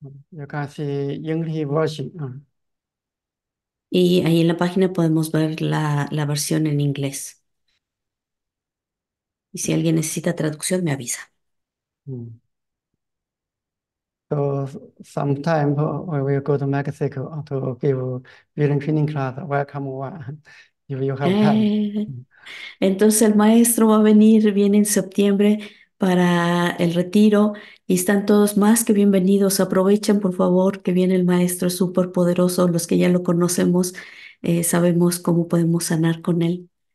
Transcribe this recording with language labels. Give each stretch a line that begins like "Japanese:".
English: You can see English version.
Spanish: Y ahí en la página podemos ver la versión en inglés. Y si alguien necesita traducción, me avisa.
English: So sometime we will go to Mexico to give a training class. Welcome one, if you have time.
Spanish: Entonces el maestro va a venir, viene en septiembre para el retiro y están todos más que bienvenidos. Aprovechen, por favor, que viene el maestro súper poderoso. Los que ya lo conocemos, sabemos cómo podemos sanar con él.